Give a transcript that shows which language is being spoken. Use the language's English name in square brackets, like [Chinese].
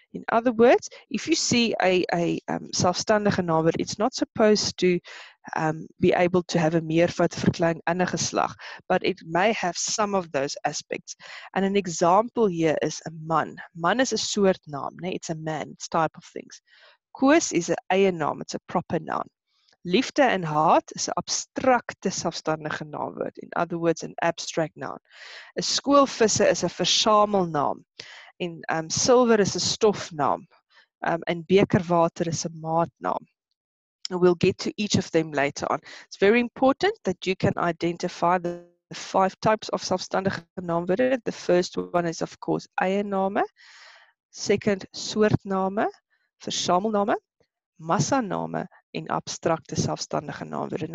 [English] In other words, if you see a selfstandige naamwoord, it's not supposed to be able to have a [Afrikaans] meervoud, verkleining en 'n geslag, [English] but it may have some of those aspects. And an example here is a man. Man is a soort naam, nee? It's a man, it's type of things. Koos is a eie naam, it's a proper noun. [Afrikaans] Liefde en haat is 'n abstrakte selfstandige naamwoord. [English] In other words, an abstract noun. [Afrikaans] 'N skoolvisse is 'n versamelnaam. En silver is 'n stofnaam. En bekerwater is 'n maatnaam. [English] We'll get to each of them later on. It's very important that you can identify the five types of selfstandige naamwoorde. The first one is of course eienname. Second, soortname, versamelname, massaname, en abstracte selfstandige naamwoorde.